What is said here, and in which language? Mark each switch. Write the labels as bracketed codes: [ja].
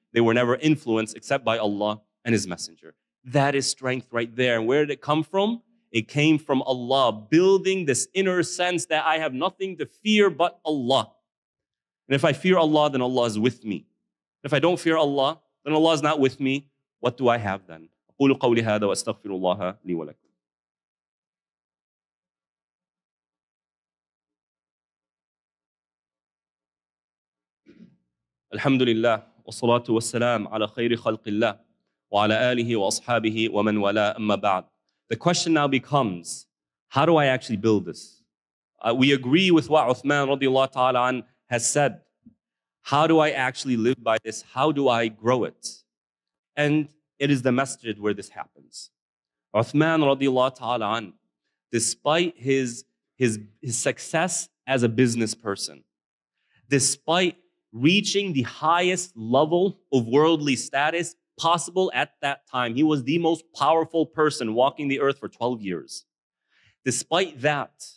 [en] They were never influenced except by Allah and His Messenger. That is strength right there. And where did it come from? It came from Allah, building this inner sense that I have nothing to fear but Allah. And if I fear Allah, then Allah is with me. If I don't fear Allah, then Allah is not with me. What do I have then? [ar] أقول قولي هذا وأستغفر الله لي ولكم. الحمد لله والصلاة والسلام على خير خلق الله وعلى آله وأصحابه ومن ولا أما بعد. [en] The question now becomes, how do I actually build this? We agree with what Uthman radiallahu ta'ala an has said. How do I actually live by this? How do I grow it? And it is the masjid where this happens. Uthman radiallahu ta'ala an, despite his success as a business person, despite reaching the highest level of worldly status possible at that time, he was the most powerful person walking the earth for 12 years. Despite that,